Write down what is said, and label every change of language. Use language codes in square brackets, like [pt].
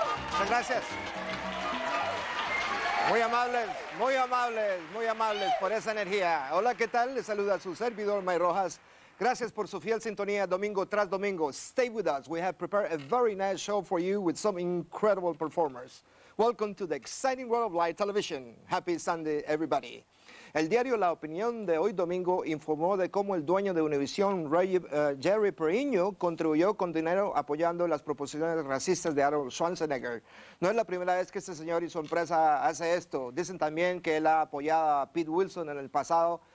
[es] Muchas gracias. Muy amables. Muy amables, muy amables por esa energía. Hola, ¿qué tal? Les saluda su servidor, Mike Rojas. Gracias por su fiel sintonía domingo tras domingo. [en] Stay with us. We have prepared a very nice show for you with some incredible performers. Welcome to the exciting world of live television. Happy Sunday, everybody. [es] El diario La Opinión de hoy domingo informó de cómo el dueño de Univision, Jerry Pereño, contribuyó con dinero apoyando las proposiciones racistas de Arnold Schwarzenegger. No es la primera vez que este señor y su empresa hace esto. Dicen también que él ha apoyado a Pete Wilson en el pasado.